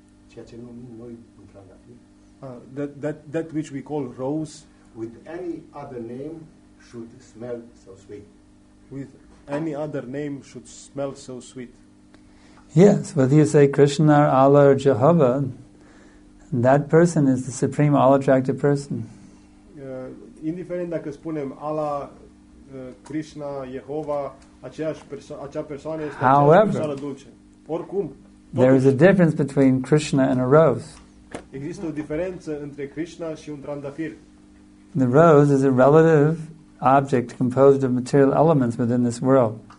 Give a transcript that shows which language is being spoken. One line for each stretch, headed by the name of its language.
Romanian: Ceea ce numim noi în trandafir.
English: That which we call rose. With any other name should smell so sweet. With any other name should smell so sweet. Yes, whether you say Krishna, Allah, or Jehovah, that person is the supreme all-attractive person.
Romanian: Indiferent dacă spunem Allah, Krishna, Jehovah, acea persoană este
English: However,
Romanian: aceeași persoană dulce. Oricum,
English: there is a difference between Krishna and a rose.
Romanian: Există o diferență între Krishna și un trandafir.
English: The rose is a relative object composed of material elements within this world.